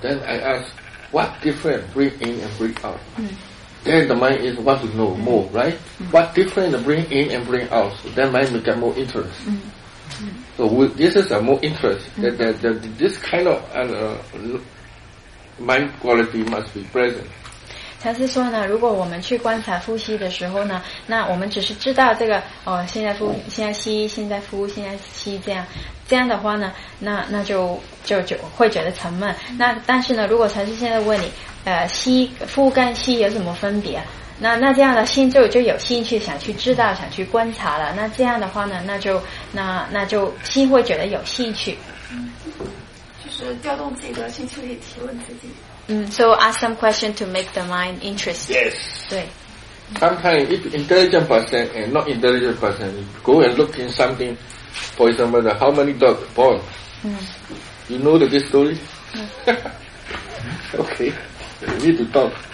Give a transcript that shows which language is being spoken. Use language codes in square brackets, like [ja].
[en] Then I ask, what different breathe in and breathe out? Then the mind is want to know more, right? What different breathe in and breathe out? So then mind will get more interest. So this is a more interest. This kind of mind quality must be present. [zh] 他是说呢，如果我们去观察呼吸的时候呢，那我们只是知道这个哦，现在呼，现在吸，现在呼，现在吸，这样的话呢，那就会觉得沉闷。那但是呢，如果陈师现在问你，吸呼跟吸有什么分别？那这样的心就有兴趣想去知道，想去观察了。那这样的话呢，那就心会觉得有兴趣，就是调动自己的兴趣力，提问自己。 [en] So ask some question to make the mind interest. Yes. [zh] 对 [en] Sometimes if intelligent person and not intelligent person go and look in something, for example, how many dogs born? You know the good story? Okay. We need to talk.